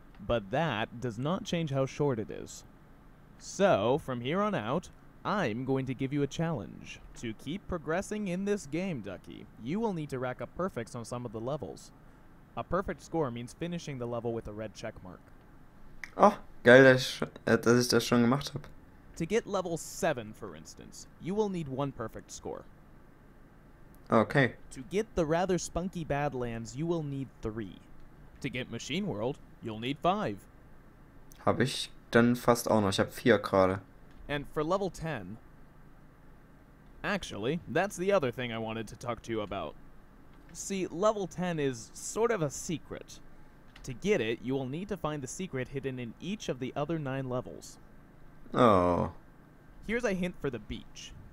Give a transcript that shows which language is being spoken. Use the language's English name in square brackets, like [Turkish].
[English] But that does not change how short it is. So, from here on out, I'm going to give you a challenge. To keep progressing in this game, Ducky, you will need to rack up perfects on some of the levels. A perfect score means finishing the level with a red checkmark. [German] Oh, geil, dass ich das schon gemacht habe. [English] To get level 7, for instance, you will need one perfect score. Okay. To get the rather spunky Badlands, you will need 3. To get Machine World, you'll need 5. [German] Hab ich dann fast auch noch. Ich hab 4 gerade. [English] And for level 10... Actually, that's the other thing I wanted to talk to you about. See, level 10 is sort of a secret. To get it, you will need to find the secret hidden in each of the other 9 levels. Oh. Here's a hint for the beach.